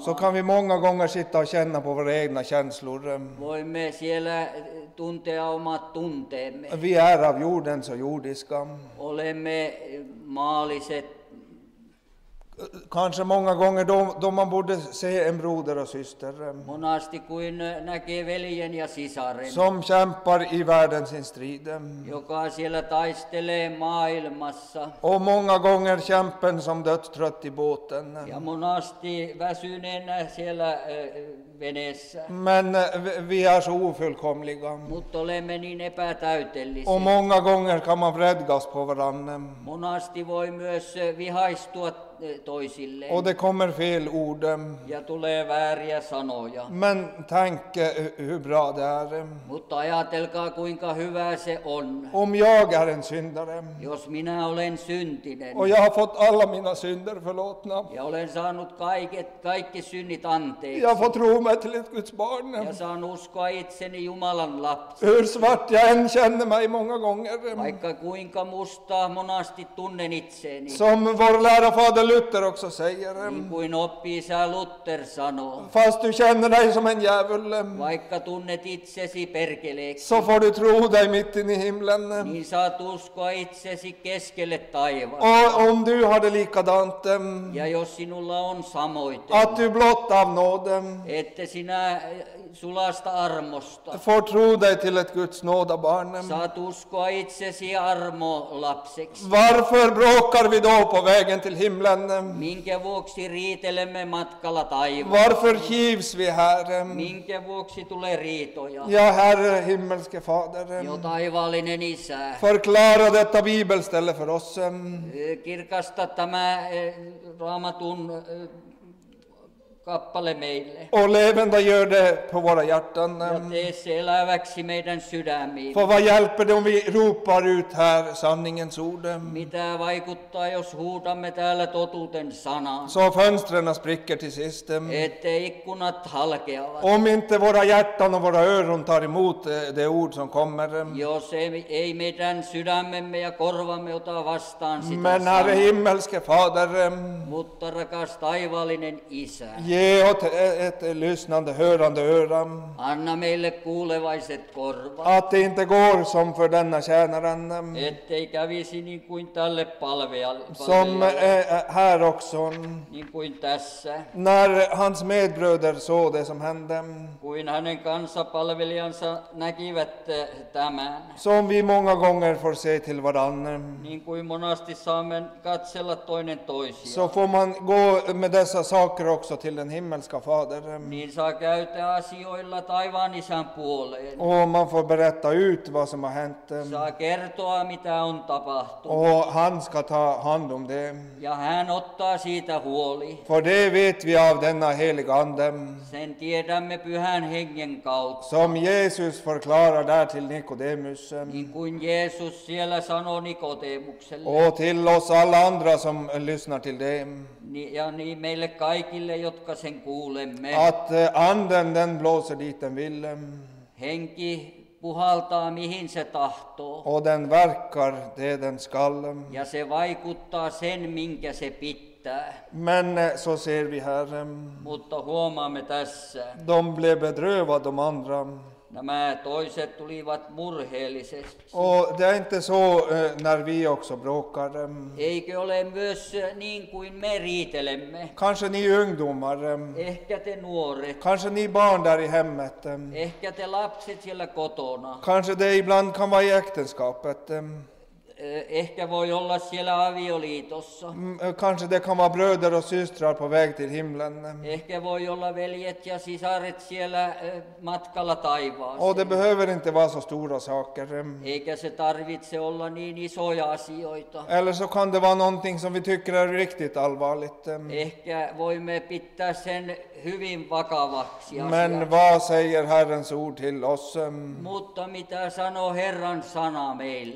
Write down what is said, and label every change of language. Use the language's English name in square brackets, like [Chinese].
[Swedish] Så kan vi många gånger sitta och känna på våra egna känslor. [Finnish] Voimme siellä tuntea omat tunteemme. [Swedish] Vi är av jorden så jordiska. [Finnish] Olemme maaliset. [Swedish] Kanske många gånger då man borde se en broder och syster. [Finnish] Monasti kuin näkee veljen ja sisaren. [Swedish] Som kämpar i världen sin strid. [Finnish] Joka siellä taistelee maailmassa. [Swedish] Och många gånger kämpen som dött trött i båten. [Finnish] Ja monasti väsyneenä siellä veneessä. [Swedish] Men vi är så ofullkomliga. [Finnish] Mutta olemme niin epätäytellisiä. [Swedish] Och många gånger kan man vredgas på varandra. [Finnish] Monasti voi myös vihaistua toisilleen. [Swedish] Och det kommer fel ord. [Finnish] Ja tulee vääriä sanoja. [Swedish] Men tänk hur bra det är. [Finnish] Mutta ajatelkaa kuinka hyvä se on. [Swedish] Om jag är en syndare. [Finnish] Jos minä olen syntinen. [Swedish] Och jag har fått alla mina synder förlåtna. [Finnish] Ja olen saanut kaikki synnit anteeksi. [Swedish] Jag får tro mig till ett Guds barn. [Finnish] Ja saan uskoa itseni Jumalan lapsi. [Swedish] Hur svart jag än känner mig många gånger. [Finnish] Vaikka kuinka mustaa monasti tunnen itseeni. [Swedish] Som vår lärofader Luther också säger. [Finnish] Kuin oppisä Luther sanoo. [Swedish] Fast du känner dig som en djävul. [Finnish] Vaikka tunnet itsesi perkeleeksi. [Swedish] Så får du tro dig mitt in i himlen. [Finnish] Niin saat uskoa itsesi keskelle taivaan. [Swedish] Och om du har det likadant. [Finnish] Ja jos sinulla on samoiten. [Swedish] Att du blott av nåden. [Finnish] Ette sinä sulasta armosta. [Swedish] Får tro dig till ett Guds nåda barn. [Finnish] Saat uskoa itsesi armolapseksi. [Swedish] Varför bråkar vi då på vägen till himlen? [Finnish] Minkä vuoksi riitelemme matkalla taivaan? [Swedish] Varför hivs vi här? [Finnish] Minkä vuoksi tulee riitoja? [Swedish] Ja Herre himmelske fader. [Finnish] Jo taivaallinen isä. [Swedish] Förklara detta bibelställe för oss. [Finnish] Kirkasta tämä Raamatun kappale meille. [Swedish] Och levande gör det på våra hjärtan. [Finnish] Ja tee se eläväksi meidän sydämiin. [Swedish] För vad hjälper det om vi ropar ut här sanningens ord? [Finnish] Mitä vaikuttaa jos huutamme täällä totuuden sanan? [Swedish] Så fönstren spricker till sist. [Finnish] Ette ikkunat halkeavat. [Swedish] Om inte våra hjärtan och våra öron tar emot det ord som kommer. [Finnish] Jos ei meidän sydämemme ja korvamme ota vastaan sitä. [Swedish] Men Herre himmelske fader. [Finnish] Mutta rakas taivaallinen isä. [Swedish] Ge åt ett lyssnande, hörande öra. [Finnish] Anna meille kuulevaiset korvat. [Swedish] Att det inte går som för denna tjänaren. [Finnish] Ettei kävisi niin kuin tälle palvelijalle. [Swedish] Som här också. [Finnish] Niin kuin tässä. [Swedish] När hans medbröder såg det som hände. [Finnish] Kuin hänen kansapalvelijansa näkivät tämän. [Swedish] Som vi många gånger får se till varann. [Finnish] Niin kuin monasti saamme katsella toinen toisia. [Swedish] Så får man gå med dessa saker också till den den himmelska fadern. [Finnish] Niin saa käytä asioilla taivaan isän puoleen. [Swedish] Och man får berätta ut vad som har hänt. [Finnish] Saa kertoa mitä on tapahtunut. [Swedish] Och han ska ta hand om det. [Finnish] Ja hän ottaa siitä huoli. [Swedish] För det vet vi av denna heliga ande. [Finnish] Sen tiedämme pyhän hengen kautta. [Swedish] Som Jesus förklarar där till Nikodemus. [Finnish] Niin kuin Jeesus siellä sanoo Nikodemukselle. [Swedish] Och till oss alla andra som lyssnar till det. [Finnish] Ja niin meille kaikille, jotka sen kuulemme. [Swedish] Att anden den blåser dit den vill. [Finnish] Henki puhaltaa mihin se tahtoo. [Swedish] Och den verkar det den skall. [Finnish] Ja se vaikuttaa sen minkä se pitää. [Swedish] Men så ser vi här. [Finnish] Mutta huomaamme tässä. [Swedish] De blev bedrövade de andra. [Finnish] Nämä toiset tulivat murheellisesti. [Swedish] Och det är inte så när vi också bråkar. [Finnish] Eikö ole myös niin kuin me riitelemme? [Swedish] Kanske ni ungdomar. [Finnish] Ehkä te nuoret. [Swedish] Kanske ni barn där i hemmet. [Finnish] Ehkä te lapset siellä kotona. [Swedish] Kanske det ibland kan vara i äktenskapet. [Finnish] Ehkä voi olla siellä avioliitossa. [Swedish] Kanske det kan vara bröder och systrar på väg till himlen. [Finnish] Ehkä voi olla veljet ja sisaret siellä matkalla taivaaseen. [Swedish] Och det behöver inte vara så stora saker. [Finnish] Eikä se tarvitse olla niin isoja asioita. [Swedish] Eller så kan det vara någonting som vi tycker är riktigt allvarligt. [Finnish] Ehkä voimme pitää sen hyvin vakavaksi asiaksi. [Swedish] Men vad säger Herrens ord till oss? [Finnish] Mutta mitä sanoo Herran sana meille?